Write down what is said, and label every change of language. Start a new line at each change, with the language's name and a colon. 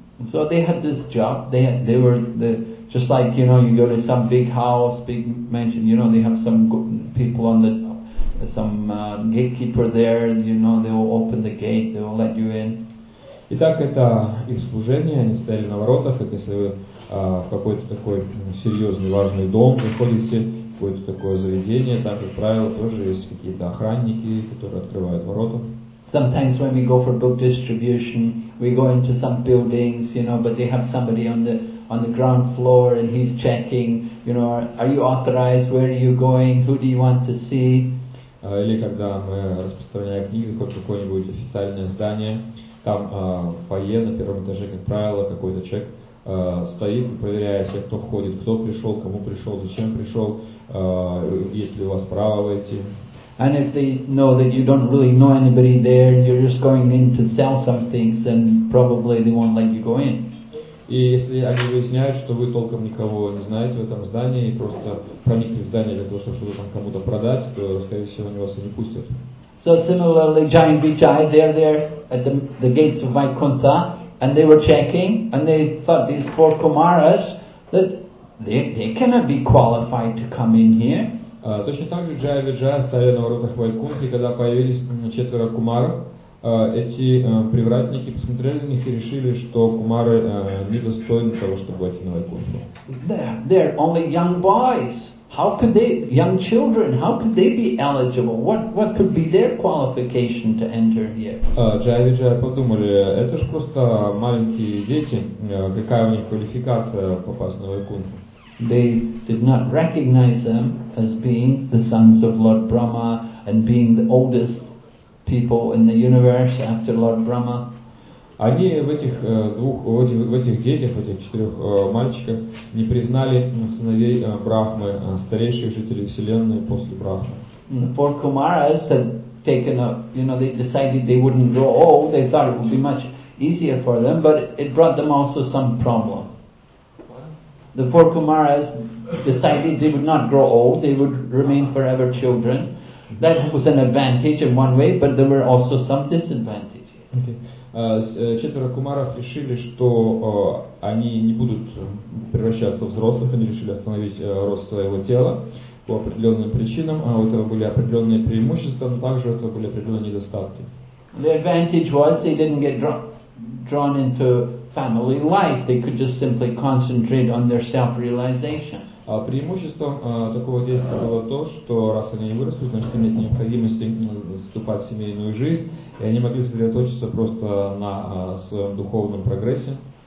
English: So they had this job. They were the just like, you know, you go to some big house, big mansion, you know, they have some people on the some gatekeeper there, you know, they will open the gate, they will let you in.
Russian: Итак, это их служение, они стояли на воротах, это если вы в какой-то такой серьезный, важный дом приходите, какое-то такое заведение, там, как правило, тоже есть какие-то охранники, которые открывают ворота.
English: Sometimes when we go for book distribution, we go into some buildings, you know, but they have somebody on the ground floor and he's checking, you know, are you authorized, where are you going, who do you want to see?
Russian: Или когда мы распространяем книги, хоть какое-нибудь официальное здание, там фойе на первом этаже, как правило, какой-то человек стоит и проверяет всех, кто входит, кто пришел, кому пришел, зачем пришел, есть ли у вас право войти.
English: And if they know that you don't really know anybody there, you're just going in to sell some things, then probably they won't let you go in.
Russian: И если они выясняют, что вы толком никого не знаете в этом здании и просто проникли в здание для того, чтобы что-то там кому-то продать, то, скорее всего, они вас и не пустят.
English: So similarly, Jai and Vijay, they're there at the gates of Vaikuntha, and they were checking, and they thought these four Kumaras that they cannot be qualified to come in here.
Russian: Точно так же Джая и Виджая стояли на воротах Вайкунхи, когда появились четверо кумаров. Эти привратники посмотрели на них и решили, что кумары не достойны того, чтобы войти на Вайкунху.
English: They're only young boys. How could they, young children, how could they be eligible? What could be their qualification to enter here?
Russian: Джая и Виджая подумали, это же просто маленькие дети. Какая у них квалификация попасть на Вайкунху?
English: They did not recognize them as being the sons of Lord Brahma and being the oldest people in the universe after Lord Brahma.
Russian: Они в этих двух, в этих детях, в этих четырех мальчиках не признали сыновей Брахмы, старейших жителей вселенной после Брахмы.
English: The four Kumaras had taken up, you know, they decided they wouldn't grow old. They thought it would be much easier for them, but it brought them also some problems. The four Kumaras decided they would not grow old, they would remain forever children. That was an advantage in one way, but there were also some disadvantages.
Russian: Четверо Кумаров решили, что они не будут превращаться в взрослых, они решили остановить рост своего тела. по определенным причинам, а у этого были определенные преимущества, но также у этого были определенные недостатки. The advantage was they didn't get drawn into family life. They could just simply concentrate on their self-realization. А преимуществом такого действия было то, что раз они не выросли, значит, нет необходимости вступать в семейную жизнь, и они могли сосредоточиться просто на своем духовном прогрессе.